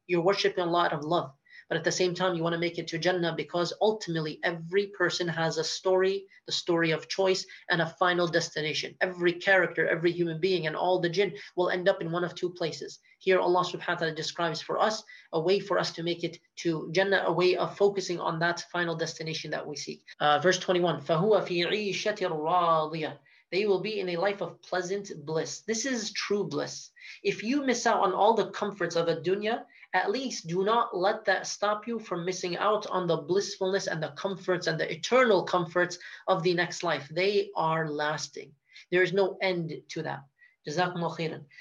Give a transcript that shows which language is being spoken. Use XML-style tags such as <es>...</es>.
<en>You're worshiping Allah out of love. But at the same time, you want to make it to Jannah because ultimately every person has a story, the story of choice and a final destination. Every character, every human being and all the jinn will end up in one of two places. Here Allah subhanahu wa ta'ala describes for us a way for us to make it to Jannah, a way of focusing on that final destination that we seek. Verse 21,</en> <ar>فَهُوَ فِي عِيشَةٍ رَاضِيَةٍ.</ar> <en>They will be in a life of pleasant bliss. This is true bliss. If you miss out on all the comforts of a dunya, at least do not let that stop you from missing out on the blissfulness and the comforts and the eternal comforts of the next life. They are lasting. There is no end to that. Jazakumullah khairan.</en>